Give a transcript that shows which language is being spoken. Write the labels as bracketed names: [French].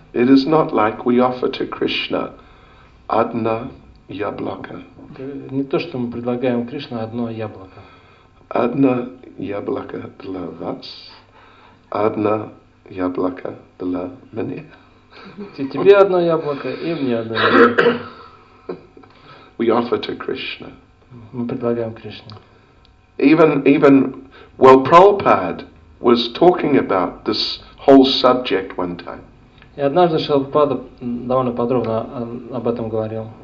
[English] It is not like we offer to Krishna [Russian] одно яблоко. Не то, что мы предлагаем Кришне одно яблоко. Одно яблоко для вас, одно яблоко для меня. Тебе одно яблоко и мне одно яблоко. [English] We offer to Krishna. [Russian] Мы предлагаем Кришне. [English] Even while Prabhupada was talking about this whole subject one time. [Russian] И однажды Шилпада довольно подробно об этом говорил.